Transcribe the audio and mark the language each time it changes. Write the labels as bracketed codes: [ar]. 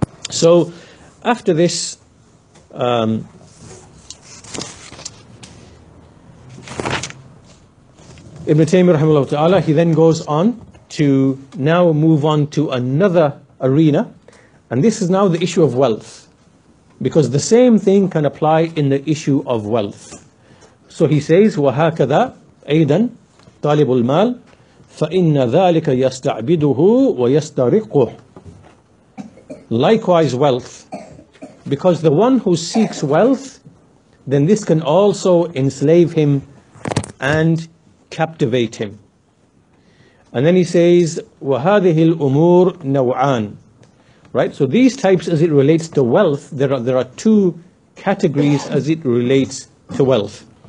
[en] So after this, Ibn Taymiyyah rahimahullah ta'ala, he then goes on to now move on to another arena, and this is now the issue of wealth. Because the same thing can apply in the issue of wealth. So he says, [ar] وَهَكَذَا أَيْدًا طَالِبُ الْمَالِ فَإِنَّ ذَٰلِكَ يَسْتَعْبِدُهُ وَيَسْتَرِقُهُ. [en] Likewise wealth. Because the one who seeks wealth, then this can also enslave him and captivate him. And then he says, [ar] وَهَذِهِ الْأُمُورِ نَوْعَانِ. [en] Right, so these types, as it relates to wealth, there are two categories as it relates to wealth.